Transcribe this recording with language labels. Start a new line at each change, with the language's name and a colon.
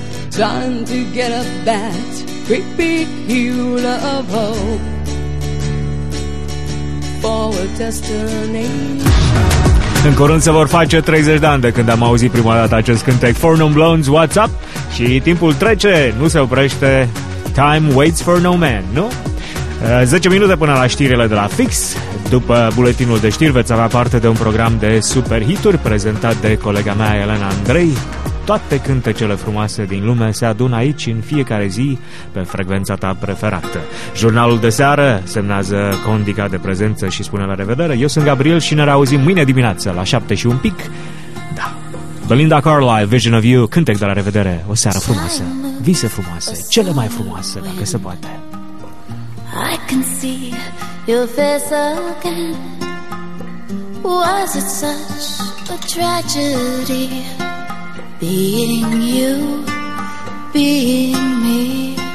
English: Time to get up that creepy hill of hope for a destination.
Romanian: În curând se vor face 30 de ani de când am auzit prima dată acest cântec, For No Blondes, What's Up? Și timpul trece, nu se oprește.
English: Time waits for no man,
Romanian: nu? 10 minute până la știrile de la Fix. După buletinul de știri veți avea parte de un program de super hituri prezentat de colega mea Elena Andrei. Toate cântecele frumoase din lume se adună aici în fiecare zi pe frecvența ta preferată. Jurnalul de seară semnează Condica de prezență și spune la revedere. Eu sunt Gabriel și ne reauzim mâine dimineață la 7 și un pic. Da. Belinda Carlisle, Vision of You, cântec de la revedere. O seară frumoasă, vise frumoase, cele mai frumoase, dacă se poate.
English: I can see your face again. Was it such a tragedy? Being you, being me.